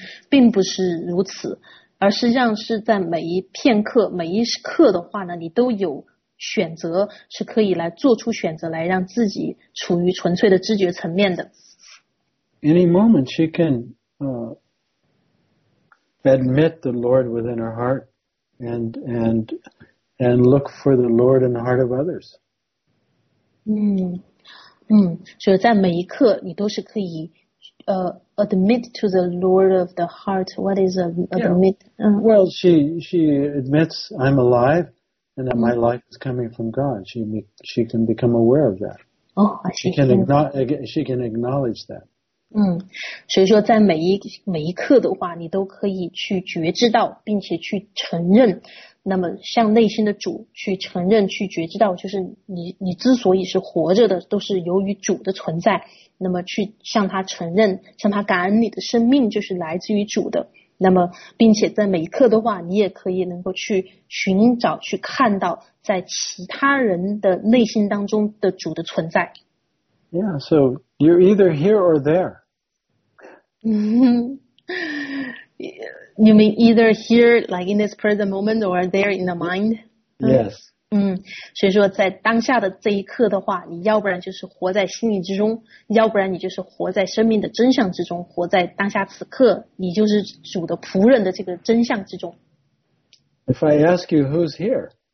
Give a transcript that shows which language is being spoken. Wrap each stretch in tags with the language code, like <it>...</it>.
<zh>并不是如此，而实际上是在每一片刻、每一时刻的话呢，你都有选择，是可以来做出选择，来让自己处于纯粹的知觉层面的。</zh> <en>Any moment she can admit the Lord within her heart and look for the Lord in the heart of others.</en> <zh>所以在每一刻你都是可以</zh> <en>admit to the Lord of the heart. What is admit? Yeah. Well, she admits I'm aliveAnd that my life is coming from God. She can become aware of that. Oh, I see. She can acknowledge that.</en> <zh>所以说在每一刻的话，你都可以去觉知到，并且去承认，那么向内心的主去承认，去觉知到，就是你之所以是活着的，都是由于主的存在，那么去向他承认，向他感恩，你的生命就是来自于主的。那么并且在每一刻的话，你也可以能够去寻找，去看到在其他人的内心当中的主的存在。</zh> <en>Yeah, so you're either here or there. You mean either here, like in this present moment, or there in the mind? Yes.</en> <zh>所以说在当下的这一刻的话，你要不然就是活在心里之中，要不然你就是活在生命的真相之中，活在当下此刻，你就是主的仆人的这个真相之中。</zh> <en>If I ask you who's here?</en>